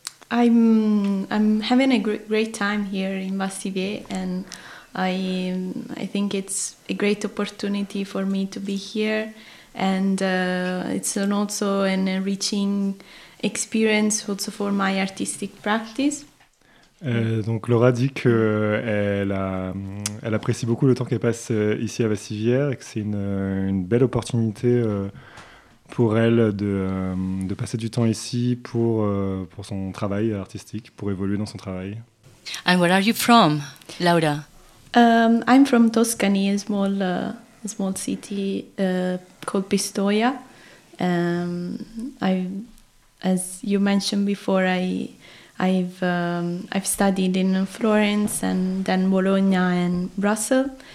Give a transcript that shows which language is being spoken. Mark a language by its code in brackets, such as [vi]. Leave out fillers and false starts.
[en] I'm having a great time here in Vassivière and I think it's a great opportunity for me to be here, and it's also an enriching experience also for my artistic practice. [fr] Donc Laura dit que elle apprécie beaucoup le temps qu'elle passe ici à Vassivière et que c'est une belle opportunité pour elle de passer du temps ici pour son travail artistique, pour évoluer dans son travail. [en] And where are you from, Laura? I'm from Tuscany, a small city called Pistoia. As you mentioned before, I've studied in Florence and then Bologna and Brussels.